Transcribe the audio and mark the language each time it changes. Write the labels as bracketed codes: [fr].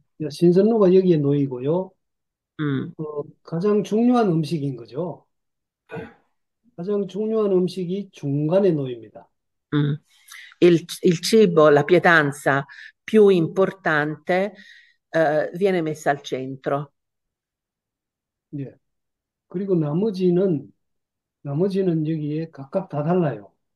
[ko] 신선로가 여기에 놓이고요. 가장 중요한 음식인 거죠. 가장 중요한 음식이 중간에 놓입니다. [it] Il cibo, la pietanza più importante, viene messa al centro. [ko] 그리고 나머지는 여기에 각각 다 달라요.